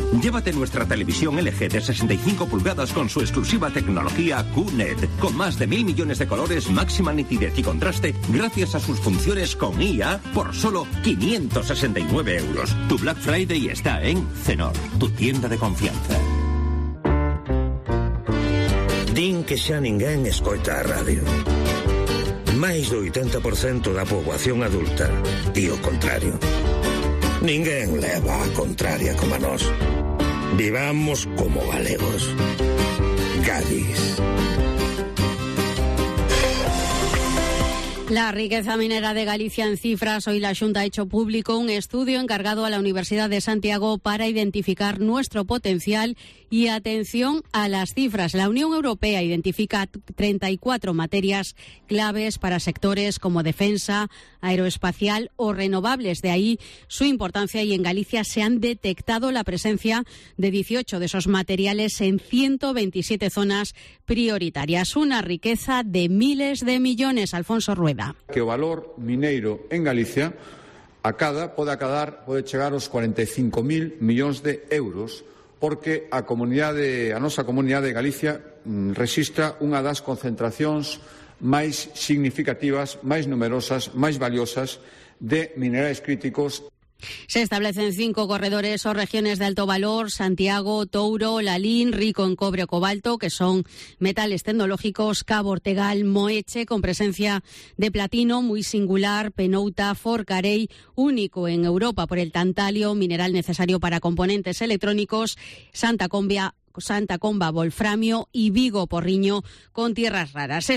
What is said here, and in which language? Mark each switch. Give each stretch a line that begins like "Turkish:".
Spanish: Llévate nuestra televisión LG de 65 pulgadas con su exclusiva tecnología QNET, con más de 1.000 millones de colores, máxima nitidez y contraste, gracias a sus funciones con IA, por solo 569 euros. Tu Black Friday está en Cenor, tu tienda de confianza.
Galician: Din que xa ninguén escoita a radio. Máis do 80% da poboación adulta di o contrario. Ninguén leva a contraria como a nós. Vivamos como galegos. Cádiz.
Spanish: La riqueza minera de Galicia en cifras. Hoy la Xunta ha hecho público un estudio encargado a la Universidad de Santiago para identificar nuestro potencial. Y atención a las cifras. La Unión Europea identifica 34 materias claves para sectores como defensa, aeroespacial o renovables. De ahí su importancia, y en Galicia se han detectado la presencia de 18 de esos materiales en 127 zonas prioritarias. Una riqueza de miles de millones. Alfonso Rueda.
Galician: Que o valor mineiro en Galicia pode chegar aos 45.000 millóns de euros, porque a nosa comunidade de Galicia rexistra unha das concentracións máis significativas, máis numerosas, máis valiosas de minerais críticos.
Spanish: Se establecen 5 corredores o regiones de alto valor: Santiago, Touro, Lalín, rico en cobre o cobalto, que son metales tecnológicos; Cabo Ortegal, Moeche, con presencia de platino muy singular; Penouta, Forcarei, único en Europa por el tantalio, mineral necesario para componentes electrónicos; Santa Comba, Wolframio, y Vigo Porriño, con tierras raras.